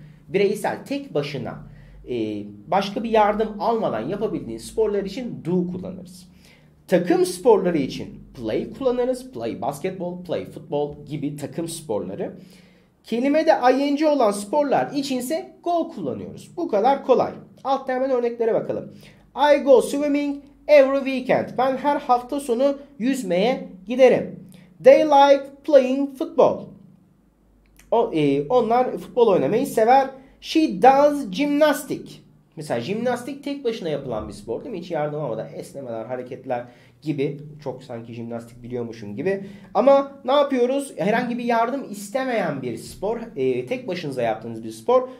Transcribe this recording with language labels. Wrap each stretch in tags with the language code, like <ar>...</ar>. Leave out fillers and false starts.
<tr>Bireysel, tek başına, başka bir yardım almadan yapabildiğiniz sporlar için do kullanırız. Takım sporları için play kullanırız. Play basketbol, play futbol gibi takım sporları. Kelimede ing olan sporlar için ise go kullanıyoruz. Bu kadar kolay. Alttan hemen örneklere bakalım.</tr> <en>I go swimming every weekend.</en> <tr>Ben her hafta sonu yüzmeye giderim.</tr> <en>They like playing football.</en> <tr>Onlar futbol oynamayı sever.</tr> <en>She does gymnastic.</en> <tr>Mesela jimnastik tek başına yapılan bir spor değil mi? Hiç yardım almadan esnemeler, hareketler gibi. Çok sanki jimnastik biliyormuşum gibi. Ama ne yapıyoruz? Herhangi bir yardım istemeyen bir spor. Tek başınıza yaptığınız bir spor.</tr>